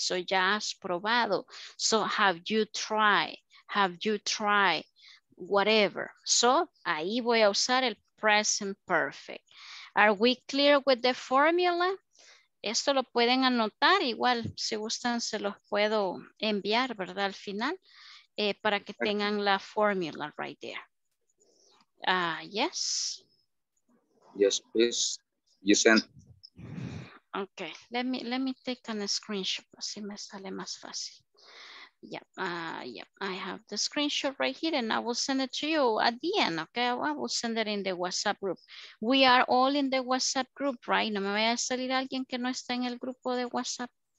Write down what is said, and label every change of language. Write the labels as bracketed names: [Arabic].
[English] So, [Spanish] ya has probado, [English] so have you tried, whatever. [Spanish] So, ahí voy a usar el present perfect. [English] Are we clear with the formula? [Spanish] Esto lo pueden anotar, igual si gustan se los puedo enviar, ¿verdad? Al final, para que tengan la formula [English] right there. Yes? Yes, please. You send. Okay, let me take a screenshot, [Spanish] así me sale más fácil. [English] Yeah, I have the screenshot right here and I will send it to you at the end, okay? I will send it in the WhatsApp group. We are all in the WhatsApp group, right? [Spanish] No me vaya a salir alguien que no está en el grupo de WhatsApp.